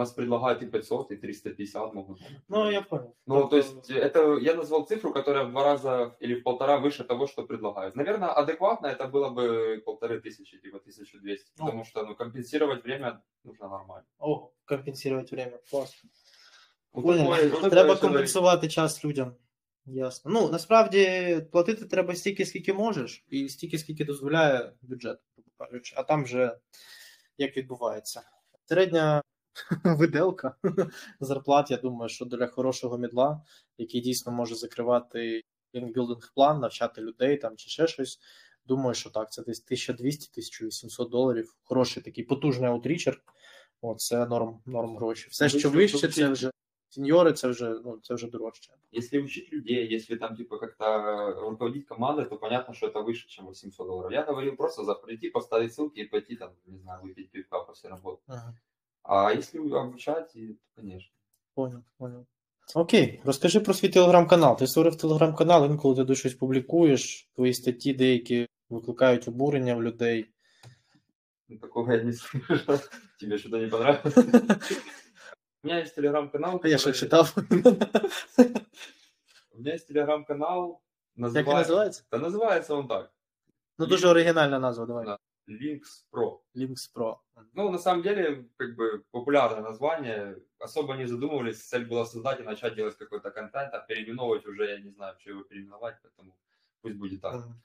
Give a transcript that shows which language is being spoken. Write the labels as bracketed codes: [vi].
[ru] У нас предлагают и 500, и 350 могут. Ну, я понял. Ну, то есть это я назвал цифру, которая в два раза или в полтора выше того, что предлагают. Наверное, адекватно это было бы 1500, типа 1200. О. Потому что ну, компенсировать время нужно нормально. О, компенсировать время. Класс. Вот понял. [uk] Треба компенсувати час людям. Ясно. Ну, насправді платити треба стільки, скільки можеш, і стільки, скільки дозволяє бюджет, кажучи. А там вже як відбувається. Середня виделка зарплат, я думаю, що для хорошого мідла, який дійсно може закривати лінкбілдинг план, навчати людей там чи ще щось. Думаю, що так, це десь 1200-1800 доларів. Хороший такий потужний аутрічер. Оце норм гроші. Все, що вище, це вже сеньори, це вже дорожче. Якщо вчити людей, якщо там типу як-то руководити командою, то понятно, що це вище, ніж 800 доларів. Я говорив просто за прийти, поставити ссылки і піти там, не знаю, випити півка після роботи. Ага. А якщо обучати, то, звісно. [ru] Понял. [uk] Окей, розкажи про свій телеграм-канал. Ти створив телеграм-канал, інколи ти щось публікуєш, твої статті деякі викликають обурення в людей. [ru] Ну, такого я не слышу. Тебе щось не понравилось? У меня есть телеграм-канал, который... Я читал. У меня есть телеграм-канал, называется... Как называется? Да называется он так. Ну, тоже оригинальная назва, давай. Links Pro. Ну, на самом деле, как бы, популярное название. Особо не задумывались, цель была создать и начать делать какой-то контент, а переименовывать уже, я не знаю, что его переименовать, поэтому пусть будет так.